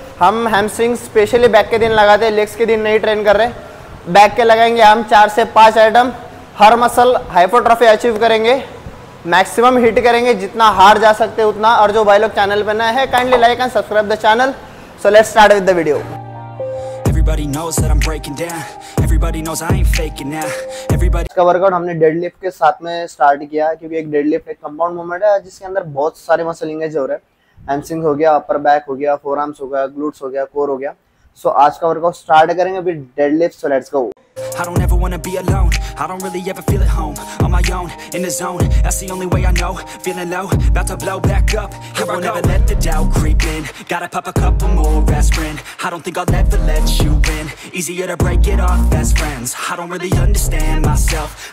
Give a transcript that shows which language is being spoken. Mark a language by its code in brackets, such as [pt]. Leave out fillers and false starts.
[hi] हम hamstring specially back के दिन लगाते हैं, लेग्स के दिन नहीं ट्रेन कर रहे। बैक के लगाएंगे हम 4 से 5 आइटम, हर मसल हाइपरट्रॉफी अचीव करेंगे, मैक्सिमम हिट करेंगे जितना हार जा सकते उतना। और जो भाई लोग चैनल पर नए हैं, [en] Kindly like and subscribe the channel. So let's start with the video. Everybody knows that I'm breaking down. Everybody knows I ain't faking now. [hi] Everybody का वर्कआउट हमने डेडलिफ्ट के साथ में स्टार्ट किया, क्योंकि एक डेडलिफ्ट एक कंपाउंड मूवमेंट है जिसके अंदर बहुत सारे मसल इंगेज हो रहे हैं। हैमस्ट्रिंग हो गया, अपर बैक हो गया, फोरआर्म्स हो गया, ग्लूट्स हो गया, कोर हो गया। सो आज का वर्कआउट स्टार्ट करेंगे with deadlift. [en] So let's go. I don't ever wanna be alone. I don't really ever feel at home. On my own, in the zone. That's the only way I know. Feeling low, about to blow back up. Here I won't ever let the doubt creep in. Gotta pop a couple more aspirin. I don't think I'll ever let you in. Easier to break it off as friends. I don't really understand myself.